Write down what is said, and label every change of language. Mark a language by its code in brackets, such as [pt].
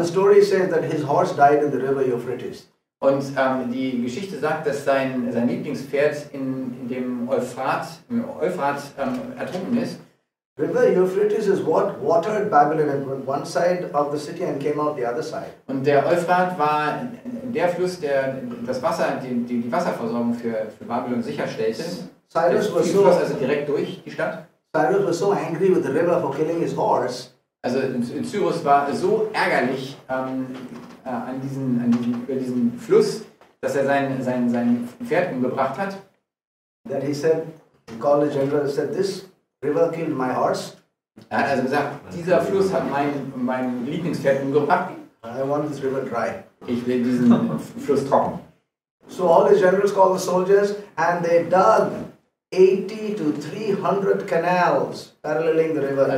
[en] The story says that his horse died in the river Euphrates. [de] Und die Geschichte sagt, dass sein Lieblingspferd in dem Euphrat ertrunken ist. [en] River Euphrates is what watered Babylon and went one side of the city and came out the other side. [de] Und der Euphrat war der Fluss, der das Wasser, die Wasserversorgung für Babylon sicherstellte. [en] Cyrus was so [de] also direkt durch die Stadt. [en] Cyrus was so angry with the river for killing his horse. [de] Also Cyrus war so ärgerlich über diesen Fluss, dass er sein Pferd umgebracht hat. [en] That he said, he called the general and said this. River killed my horse. [de] Er hat also gesagt, dieser Fluss hat mein Lieblingspferd umgebracht. [en] I want this river dry. [de] Ich will diesen Fluss trocken. [en] So all the generals called the soldiers and they dug 80 to 300 canals paralleling the river.